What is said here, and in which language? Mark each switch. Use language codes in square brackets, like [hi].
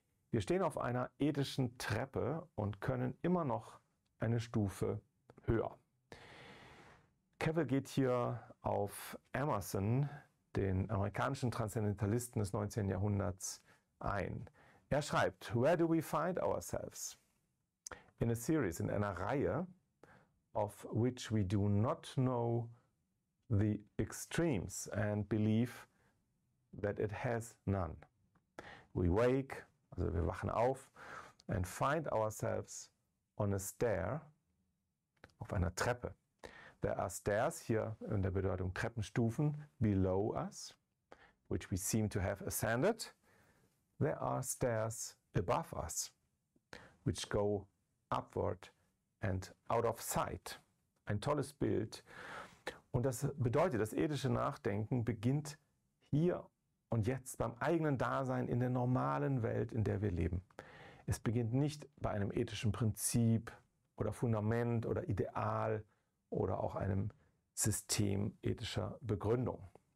[de] Wir stehen auf einer ethischen Treppe und können immer noch eine Stufe höher. Cavell geht hier auf Emerson, den amerikanischen Transzendentalisten des 19. Jahrhunderts, ein. Er schreibt, [en] where do we find ourselves? In a series, [de] in einer Reihe, [en] of which we do not know the extremes and believe that it has none. We wake, [de] also wir wachen auf, [en] and find ourselves on a stair, [de] auf einer Treppe. [en] There are stairs, [de] hier in der Bedeutung Treppenstufen, [en] below us, which we seem to have ascended. There are stairs above us, which go upward and out of sight. [de] Ein tolles Bild. Und das bedeutet, das ethische Nachdenken beginnt hier und jetzt beim eigenen Dasein in der normalen Welt, in der wir leben. Es beginnt nicht bei einem ethischen Prinzip oder Fundament oder Ideal, oder auch einem System ethischer Begründung.